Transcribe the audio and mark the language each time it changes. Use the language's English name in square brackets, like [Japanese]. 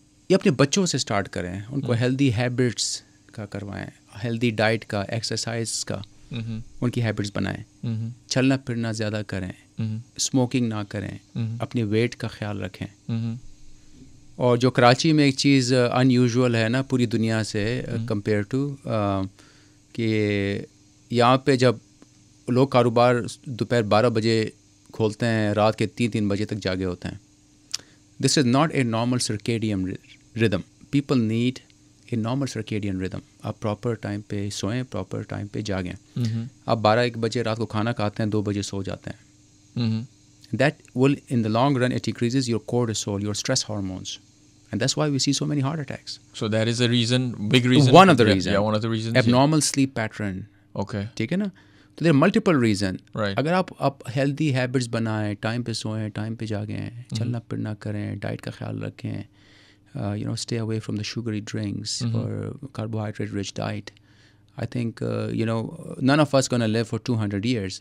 [Urdu] یہ اپنے بچوں سے اسٹارٹ کریں, ان کو ہیلدی ہیبٹس کا کروائیں, ہیلدی ڈائٹ کا, ایکسرسائز کا, ان کی ہیبٹس بنائیں, چلنا پھرنا زیادہ کریں, اسموکنگ نہ کریں, اپنے ویٹ کا خیال رکھیں. اور جو کراچی میں ایک چیز ان یوزول ہے نا پوری دنیا سے کمپیئر ٹو, کہ یہاں پہ جب لوگ کاروبار دوپہر 12 بجے کھولتے ہیں, رات کے 3-3 بجے تک جاگے ہوتے ہیں. [English] This is not a normal circadian rhythm. People need a normal circadian rhythm. [Urdu] آپ پراپر ٹائم پہ سوئیں, پراپر ٹائم پہ جاگیں. آپ 12-1 بجے رات کو کھانا کھاتے ہیں, 2 بجے سو جاتے ہیں. [English] That will in the long run it decreases your cortisol, your stress hormones. And that's why we see so many heart attacks. So that is a reason, big reason. One of the reasons. Yeah, one of the reasons. Abnormal sleep pattern. Okay. [Urdu] ٹھیک ہے نا, [English] تو there multiple reason. Right. [Urdu] اگر آپ healthy habits بنائیں, time پہ سوئیں, time پہ جاگیں, چلنا پھرنا کریں, ڈائٹ کا خیال رکھیں, [English] You know stay away from the sugary drinks اور carbohydrate rich diet, I think you know none of us gonna live for 200 years.